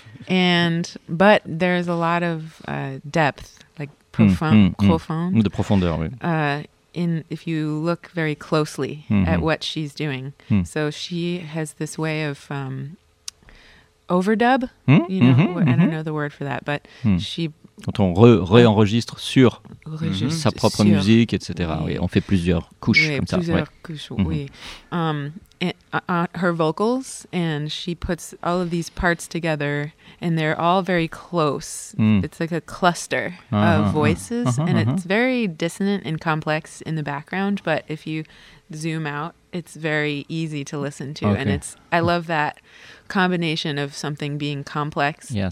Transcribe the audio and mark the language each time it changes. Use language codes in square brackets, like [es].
[en] And, but there's a lot of depth, like profond. [fr] De profondeur, oui. [en] If you look very closely at what she's doing. So she has this way of overdub, you know, I don't know the word for that, but she... [fr] Quand on réenregistre sur sa propre musique, etc. Oui, on fait plusieurs couches comme ça. [en] Her vocals, and she puts all of these parts together, and they're all very close. It's like a cluster of voices, and it's very dissonant and complex in the background, but if you zoom out, it's very easy to listen to, and it's I love that combination of something being complex,